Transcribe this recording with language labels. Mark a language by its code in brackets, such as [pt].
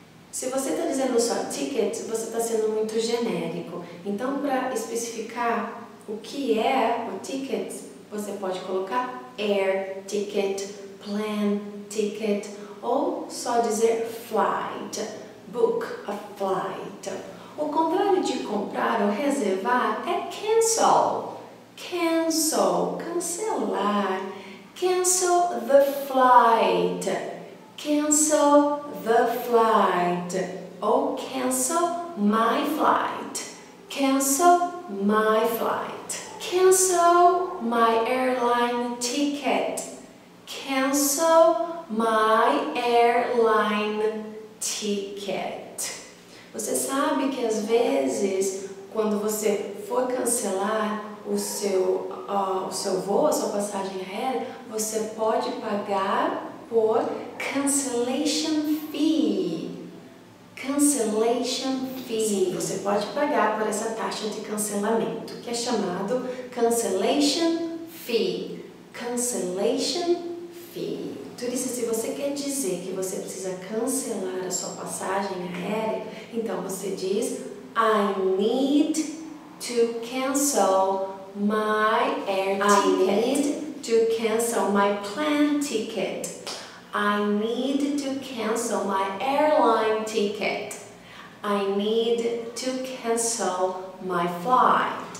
[pt] Se você está dizendo só ticket, você está sendo muito genérico. Então, para especificar o que é o ticket, você pode colocar air ticket, plane ticket. Ou só dizer [en] flight, book a flight. [pt] O contrário de comprar ou reservar é cancel. [en] Cancel, [pt] cancelar. [en] Cancel the flight. Cancel the flight. [pt] Ou [en] cancel my flight. Cancel my flight. Cancel my airline ticket. Cancel my airline ticket. [pt] Você sabe que às vezes, quando você for cancelar o seu voo, a sua passagem aérea, você pode pagar por cancellation fee. [en] Cancellation fee. [pt] Sim, você pode pagar por essa taxa de cancelamento, que é chamado cancellation fee. [en] Cancellation fee. [pt] Turista, se você quer dizer que você precisa cancelar a sua passagem aérea, então você diz [en] I need to cancel my air ticket. I need to cancel my plane ticket. I need to cancel my airline ticket. I need to cancel my flight.